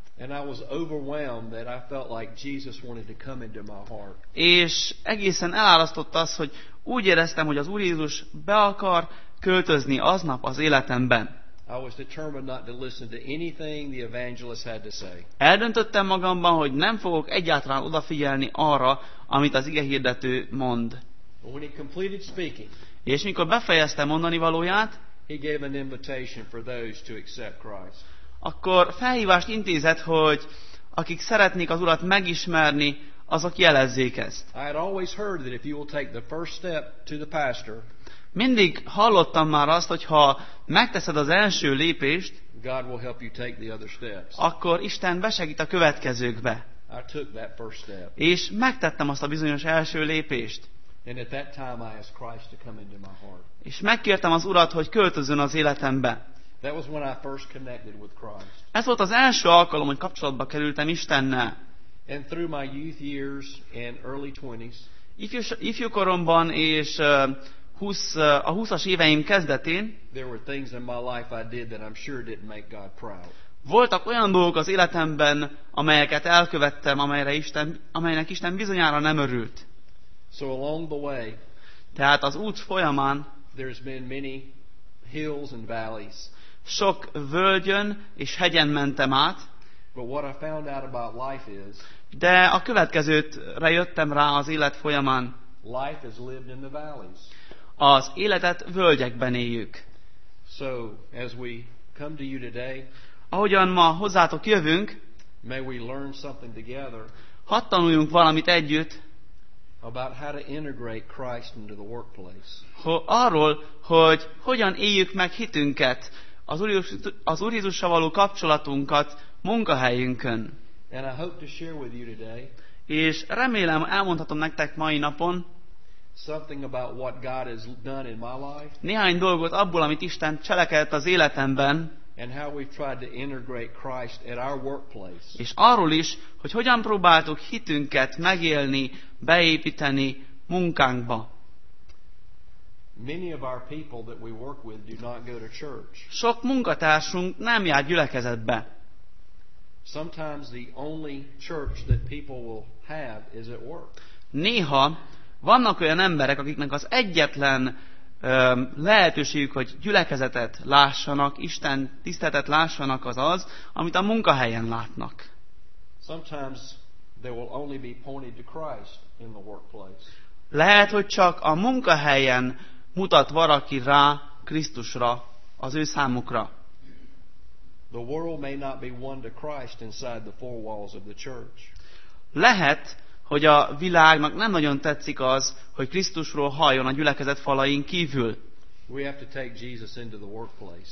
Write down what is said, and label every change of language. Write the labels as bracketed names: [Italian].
[English] And I was overwhelmed that I felt like Jesus wanted to come into my heart. [Hungarian] És egészen elárasztott az, hogy úgy éreztem, hogy az Úr Jézus be akar költözni aznap az életemben. [English] I was determined not to listen to anything the evangelist had to say. [Hungarian] Eldöntöttem magamban, hogy nem fogok egyáltalán odafigyelni arra, amit az igehirdető mond. [English] When he completed speaking, [Hungarian] és mikor befejezte mondani valóját, [English] he gave an invitation for those to accept Christ. [Hungarian] Akkor felhívást intézett, hogy akik szeretnék az Urat megismerni, azok jelezzék ezt. [English] I had always heard that if you will take the first step to the pastor, [Hungarian] mindig hallottam már azt, hogy ha megteszed az első lépést, [English] God will help you take the other steps. [Hungarian] Akkor Isten besegít a következőkbe. [English] I took that first step. [Hungarian] És megtettem azt a bizonyos első lépést. [English] And at that time I asked Christ to come into my heart. [Hungarian] És megkértem az Urat, hogy költözön az életembe. [English] That was when I first connected with Christ. [Hungarian] Ez volt az első alkalom, hogy kapcsolatba kerültem Istennel. [English] And through my youth years and early 20s. [Hungarian] Ifjúkoromban és a 20-as éveim kezdetén. [English] There were things in my life I did that I'm sure didn't make God proud. [Hungarian] Voltak olyan dolgok az életemben, amelyeket elkövettem, amelynek Isten bizonyára nem örült. [English] So along the way. [Hungarian] Tehát az út folyamán. [English] There's been many hills and valleys. [Hungarian] Sok völgyön és hegyen mentem át. [English] But what I found out about life is, [Hungarian] de a következőt rájöttem rá az élet folyamán. [English] Life is lived in the valleys. [Hungarian] Az életet völgyekben éljük. [English] So, as we come to you today, [Hungarian] ahogyan ma hozzátok jövünk, [English] may we learn something together, [Hungarian] hadd tanuljunk valamit együtt, [English] about how to integrate Christ into the workplace. [Hungarian] Arról, hogy hogyan éljük meg hitünket, az Úr Jézussal való kapcsolatunkat munkahelyünkön. [English] And I hope to share with you today, [Hungarian] és remélem, elmondhatom nektek mai napon [English] something about what God has done in my life, [Hungarian] néhány dolgot abból, amit Isten cselekedett az életemben, [English] and how we've tried to integrate Christ at our workplace. [Hungarian] És arról is, hogy hogyan próbáltuk hitünket megélni, beépíteni munkánkba. [English] Many of our people that we work with do not go to church. [Hungarian] Sok munkatársunk nem jár gyülekezetbe. [English] Sometimes the only church that people will have is at work. [Hungarian] Néha vannak olyan emberek, akiknek az egyetlen lehetőségük, hogy gyülekezetet lássanak, Isten tiszteletet lássanak, az az, amit a munkahelyen látnak. [English] Sometimes they will only be pointed to Christ in the workplace. [Hungarian] Lehet, hogy csak a munkahelyen mutat valaki rá Krisztusra, az ő számukra. [English] The world may not be one to Christ inside the four walls of the church. [Hungarian] Lehet, hogy a világnak nem nagyon tetszik az, hogy Krisztusról halljon a gyülekezet falain kívül. [English] We have to take Jesus into the workplace.